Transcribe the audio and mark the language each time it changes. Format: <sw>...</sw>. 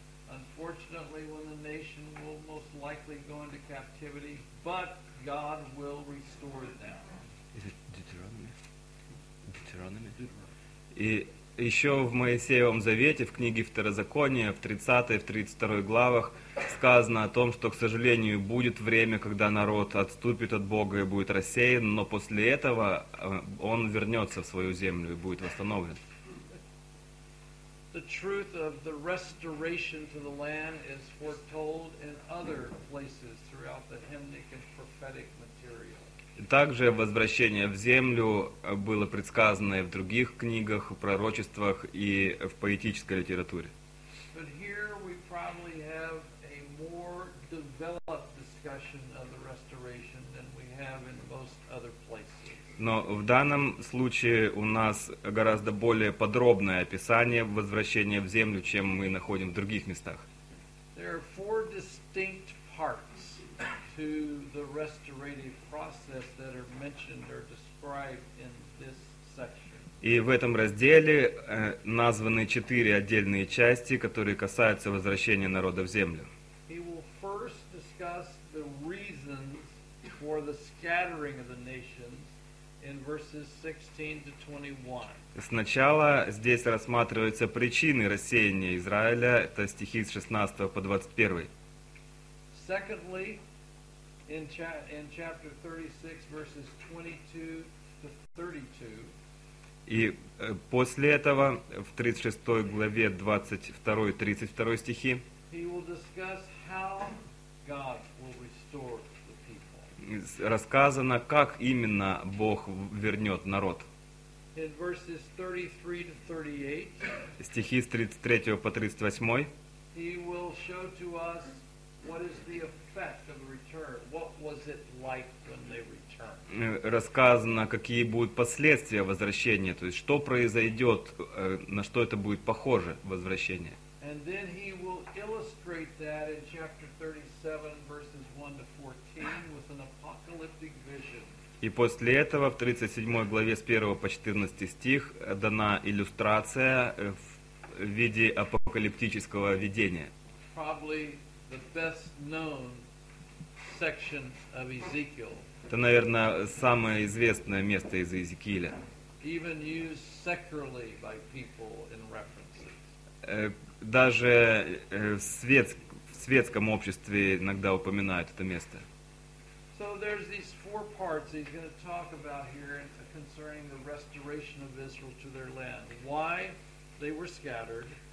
<en>Unfortunately, when the nation will most likely go into captivity, but God will restore them. Is it Deuteronomy? Deuteronomy?</en> <ru>И еще в Моисеевом Завете, в книге Второзакония, в 30 и в 32 главах, сказано о том, что, к сожалению, будет время, когда народ отступит от Бога и будет рассеян, но после этого он вернется в свою землю и будет восстановлен.</ru> <en>The truth of the restoration to the land is foretold in other places throughout the hymnic and prophetic material.</en> <ru>Также возвращение в землю было предсказано и в других книгах, пророчествах и в поэтической литературе.</ru> <en>But here we probably have a more developed discussion of the restoration than we have in most other places.</en> <ru>Но в данном случае у нас гораздо более подробное описание возвращения в землю, чем мы находим в других местах.</ru> <en>There are four distinct parts to the restorative process that are mentioned or described in this section.</en> <ru>И в этом разделе названы четыре отдельные части, которые касаются возвращения народа в землю.</ru> <en>He will first discuss the reasons for the scattering of the nations. In verses 16 to 21.</en> <ru>Сначала здесь рассматриваются причины рассеяния Израиля, это стихи с 16 по 21.</ru> <en>Secondly, in chapter 36, verses 22 to 32.</en> <ru>И после этого в 36 главе 22-32 стихи.</ru> <en>He will discuss how God will restore.</en> <ru>Рассказано, как именно Бог вернет народ.</ru> <en>In verses 33 to 38,</en> <ru>стихи с 33 по 38.</ru> <en>He will show to us what is the effect of the return. What was it like when they returned?</en> <ru>Рассказано, какие будут последствия возвращения, то есть что произойдет, на что это будет похоже возвращение.</ru> <en>And then he will illustrate that in chapter 37, verses 1 to 14, with an apocalyptic vision.</en> <ru>И после этого в 37 главе с 1 по 14 стих дана иллюстрация в виде апокалиптического видения.</ru> <en>Probably the best known section of Ezekiel.</en> <ru>Это, наверное, самое известное место из Иезекииля.</ru> <en>Even used secularly by people in references.</en> <ru>Даже в светском обществе иногда упоминают это место.</ru> <en>So there's these four parts he's going to talk about here concerning the restoration of Israel to their land. Why they were scattered.</en>